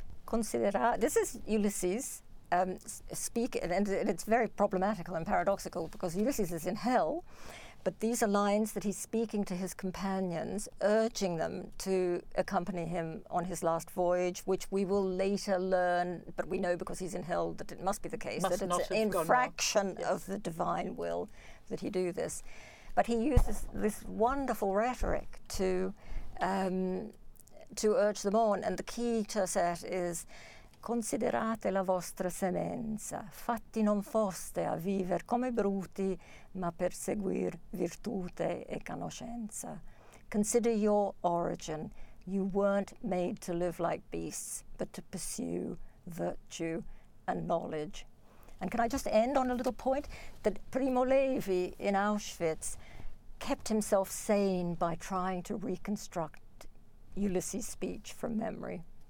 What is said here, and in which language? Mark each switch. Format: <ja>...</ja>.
<en>This is Ulysses speaking, and it's very problematical and paradoxical because Ulysses is in hell, but these are lines that he's speaking to his companions, urging them to accompany him on his last voyage, which we will later learn, but we know because he's in hell that it must be the case, must that it's an infraction of the divine will that he do this. But he uses this wonderful rhetoric to urge them on. And the key to that is,</en> <it>considerate la vostra semenza, fatti non foste a viver come bruti, ma per seguir virtute e conoscenza.</it> <en>Consider your origin. You weren't made to live like beasts, but to pursue virtue and knowledge. And can I just end on a little point? That Primo Levi in Auschwitz kept himself sane by trying to reconstruct Ulysses' speech from memory.</en>